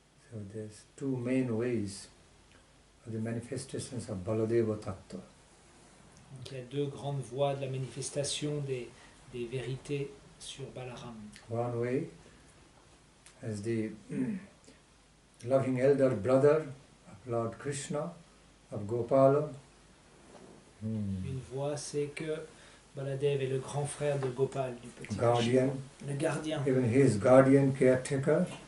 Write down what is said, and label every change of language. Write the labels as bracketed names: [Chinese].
[English] So there's two main ways of the manifestations of Baladeva Tattva. [French] Donc il y a deux grandes voies de la manifestation des vérités sur Balaram. [English] One way, as the loving elder brother of Lord Krishna, of Gopala. [French] Une voie, c'est que Baladeva est le grand frère de Gopal, du petit [English] guardian, [French] le gardien. [English] Even his guardian, caretaker.